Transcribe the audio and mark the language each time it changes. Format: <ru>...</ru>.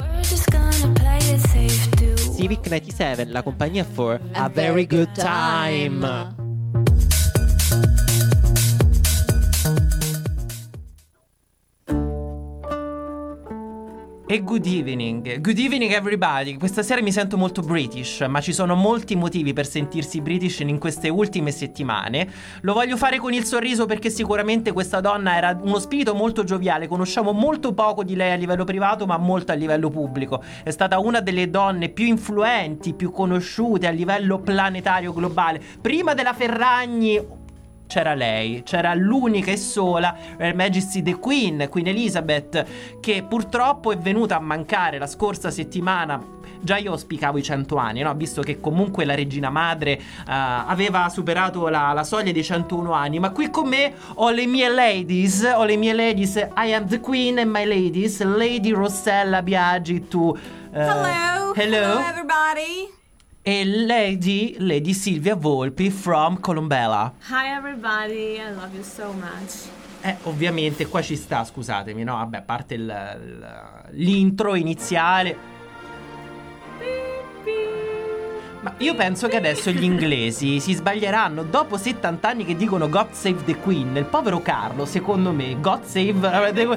<en>Civic 97,</en> <it>la compagnia</it> <en>for a very good time. E good evening everybody.</en> <it>Questa sera mi sento molto British, ma ci sono molti motivi per sentirsi British in queste ultime settimane. Lo voglio fare con il sorriso perché sicuramente questa donna era uno spirito molto gioviale. Conosciamo molto poco di lei a livello privato, ma molto a livello pubblico. È stata una delle donne più influenti, più conosciute a livello planetario globale. Prima della Ferragni c'era lei, c'era l'unica e sola</it> <en>Her Majesty the Queen,</en> <it>Queen Elizabeth, che purtroppo è venuta a mancare la scorsa settimana. Già io auspicavo i 100 anni, no? Visto che comunque la regina madre aveva superato la soglia dei 101 anni. Ma qui con me ho le mie</it> <en>ladies, I am the queen and my ladies, Lady Rossella Biaggi to... Hello everybody. E Lady Silvia Volpi from Colombella. Hi everybody, I love you so much.</en> <it>Ovviamente qua ci sta, scusatemi, no? Vabbè, a parte l'intro iniziale. Ma io penso che adesso gli inglesi si sbaglieranno. Dopo 70 anni che dicono</it> <en>God save the Queen,</en> <it>il povero Carlo, secondo me,</it> <en>God save the Queen.</en>